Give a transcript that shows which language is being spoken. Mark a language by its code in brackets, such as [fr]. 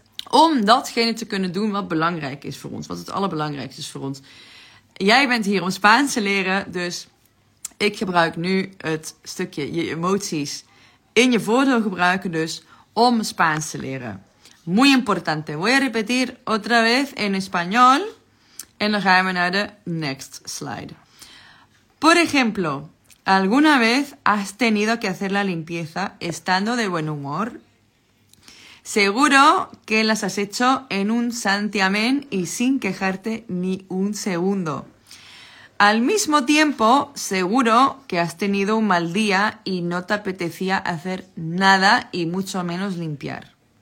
[nl] Om datgene te kunnen doen wat belangrijk is voor ons. Wat het allerbelangrijkste is voor ons. Jij bent hier om Spaans te leren, dus Ik gebruik nu het stukje je emoties in je voordeel gebruiken dus om Spaans te leren. [es] Muy importante. Voy a repetir otra vez en español. [nl] En dan gaan we naar de [en] next slide. [es] Por ejemplo, ¿alguna vez has tenido que hacer la limpieza estando de buen humor? Seguro que las has hecho en un santiamén y sin quejarte ni un segundo. Al mismo tiempo, seguro que has tenido un mal día y no te apetecía hacer nada y mucho menos limpiar.